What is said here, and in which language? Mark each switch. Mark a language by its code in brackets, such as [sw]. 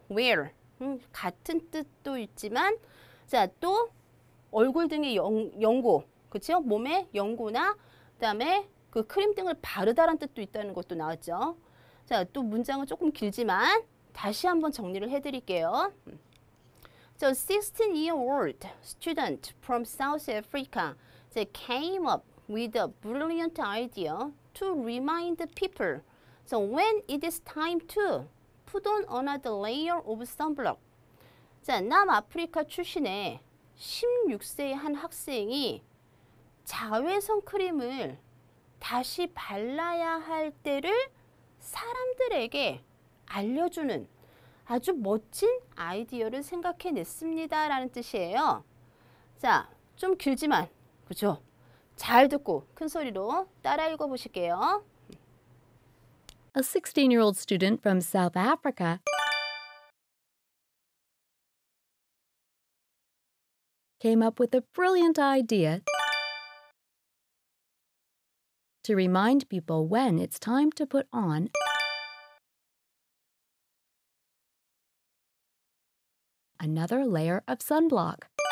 [ko] wear 같은 뜻도 있지만 자, 또 얼굴 등의 연고, 그렇죠? 몸의 연고나 그다음에 그 크림 등을 바르다라는 뜻도 있다는 것도 나왔죠. 자, 또 문장은 조금 길지만 다시 한번 정리를 해드릴게요. [en] So, 16-year-old student from South Africa came up with a brilliant idea to remind people. So, when it is time to put on another layer of sunblock. [ko] 자, 남아프리카 출신의 16세의 한 학생이 자외선 크림을 다시 발라야 할 때를 사람들에게 알려주는 아주 멋진 아이디어를 생각해냈습니다. 라는 뜻이에요. 자, 좀 길지만, 그죠? 잘 듣고 큰 소리로 따라 읽어보실게요. [en] A 16-year-old student from South Africa came up with a brilliant idea to remind people when it's time to put on another layer of sunblock.